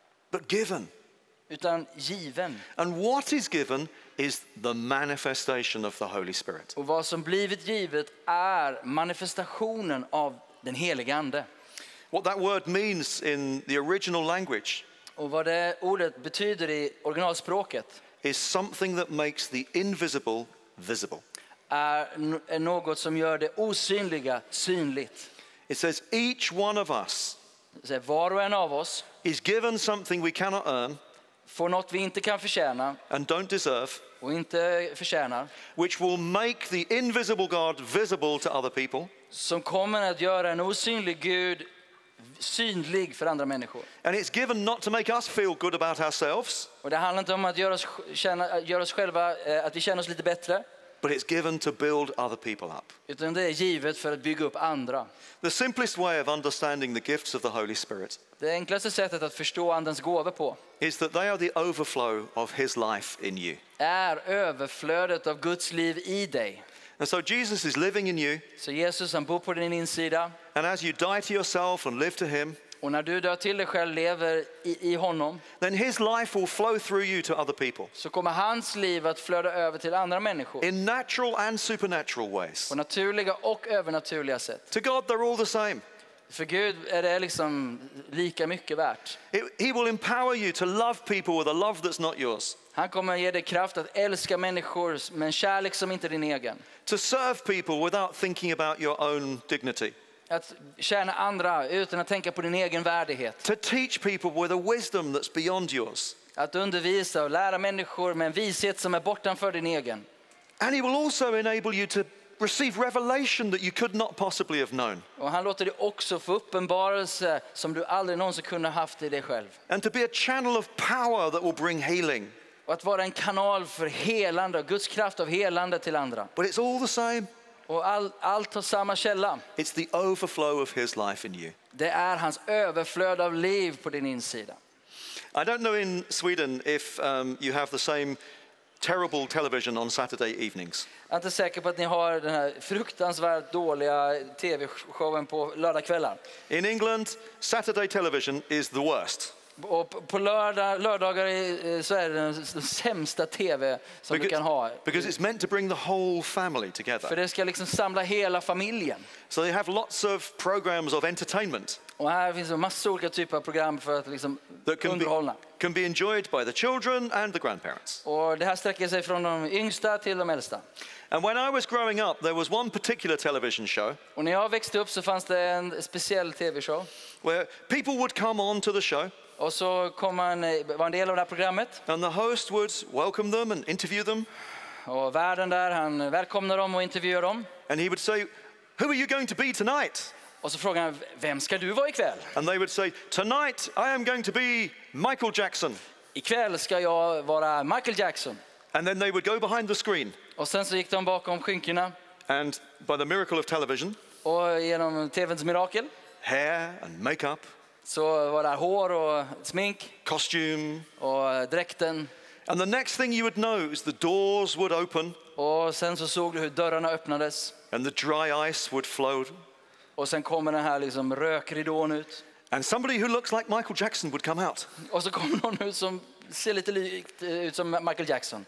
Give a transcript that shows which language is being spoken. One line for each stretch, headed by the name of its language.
English: but given.
Swedish: Utan given.
English: And what is given is the manifestation of the Holy Spirit.
Swedish: Och vad som blivit givet är manifestationen av den helige ande.
English: What that word means in the original language.
Swedish: Och vad det ordet betyder i originalspråket
English: is something that makes the invisible visible.
Swedish: Är något som gör det osynliga synligt.
English: It says each one of us,
Swedish: säger, var och en av oss,
English: is given something we cannot earn,
Swedish: får något vi inte kan förtjäna,
English: and don't deserve,
Swedish: och inte förtjänar,
English: which will make the invisible God visible to other people,
Swedish: som kommer att göra en osynlig Gud synlig för andra människor.
English: And it's given not to make us feel good about ourselves.
Swedish: Och det handlar inte om att göra oss själva att vi känner oss lite bättre.
English: But it's given to build other people up.
Swedish: Utan det är givet för att bygga upp andra.
English: The simplest way of understanding the gifts of the Holy Spirit.
Swedish: Det enklaste sättet att förstå andens gåvor på.
English: Is that they are the overflow of his life in you.
Swedish: Är överflödet av Guds liv i dig.
English: And so Jesus is living in you.
Swedish: Så Jesus han bor på din insida.
English: And as you die to yourself and live to him.
Swedish: Och när du dör till dig själv lever i honom.
English: Then his life will flow through you to other people.
Swedish: Så kommer hans liv att flöda över till andra människor.
English: In natural and supernatural ways.
Swedish: På naturliga och övernaturliga sätt.
English: To God they're all the same.
Swedish: För Gud är det liksom lika mycket värt.
English: He will empower you to love people with a love that's not yours.
Swedish: Han kommer ge dig kraft att älska människor med en kärlek som inte är din egen.
English: To serve people without thinking about your own dignity.
Swedish: Att tjäna andra utan att tänka på din egen värdighet.
English: To teach people with a wisdom that's beyond yours.
Swedish: Att undervisa och lära människor med en vishet som är bortanför din egen.
English: And he will also enable you to receive revelation that you could not possibly have known.
Swedish: Och han låter dig också få uppenbarelse som du aldrig någonsin kunde haft i dig själv.
English: And to be a channel of power that will bring healing.
Swedish: Och att vara en kanal för helande, Guds kraft av helande till andra.
English: But it's all the same.
Swedish: Och allt har samma källa.
English: It's the overflow of his life in you.
Swedish: Det är hans överflöd av liv på din insida.
English: I don't know in Sweden if you have the same terrible television on Saturday evenings.
Swedish: Jag är inte säker på att ni har den här fruktansvärt dåliga TV-showen på lördagskvällar.
English: In England, Saturday television is the worst.
Swedish: Och på lördagar så är det den sämsta TV som du kan ha.
English: Because it's meant to bring the whole family together.
Swedish: För det ska liksom samla hela familjen.
English: So they have lots of programs of entertainment.
Swedish: Och här finns en massa olika typer av program för att liksom underhålla.
English: Can be enjoyed by the children and the grandparents.
Swedish: Och det här sträcker sig från de yngsta till de äldsta.
English: And when I was growing up, there was one particular television show.
Swedish: Och när jag växte upp så fanns det en speciell TV-show.
English: Where people would come on to the show.
Swedish: Och så kom man var en del av det här programmet.
English: And the host would welcome them and interview them.
Swedish: Och värden där han välkomnar dem och intervjuar dem.
English: And he would say, "Who are you going to be tonight?"
Swedish: Och så frågar han, "Vem ska du vara ikväll?"
English: And they would say, "Tonight I am going to be Michael Jackson."
Swedish: Ikväll ska jag vara Michael Jackson.
English: And then they would go behind the screen.
Swedish: Och sen så gick de bakom skynkena.
English: And by the miracle of television.
Swedish: Och genom TV:ns mirakel.
English: Hair and makeup.
Swedish: Så var det hår och smink,
English: costume
Swedish: och dräkten.
English: And the next thing you would know is the doors would open.
Swedish: Och sen så såg du hur dörrarna öppnades.
English: And the dry ice would flow.
Swedish: Och sen kommer den här liksom rökridån ut.
English: And somebody who looks like Michael Jackson would come out.
Swedish: Och så kommer någon ut som ser lite likt ut som Michael Jackson.